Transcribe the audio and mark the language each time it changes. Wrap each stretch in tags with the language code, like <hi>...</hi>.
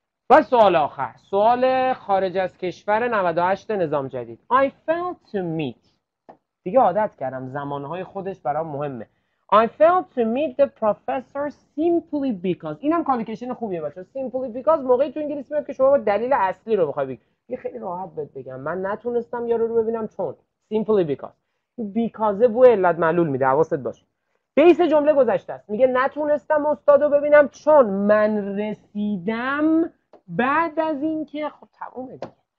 <fa>و سوال آخر، سوال خارج از کشور 98 نظام جدید.</fa> <en>I failed to meet.</en> <fa>دیگه عادت کردم زمانهای خودش برام مهمه.</fa> <en>I failed to meet the professor simply because.</en> <fa>اینم کالیکیشن خوبیه بچه. Simply because موقعی تو انگلیسی میاد که شما با دلیل اصلی رو بخوای بگی. خیلی راحت بهت بگم من نتونستم یارو رو ببینم چون. Simply because. Because بو علت معلول میده. حواست باشه. بیس جمله گذشته است. میگه نتونستم استادو ببینم چون من رسیدم بعد از اینکه خب تمومه دیگه.</fa>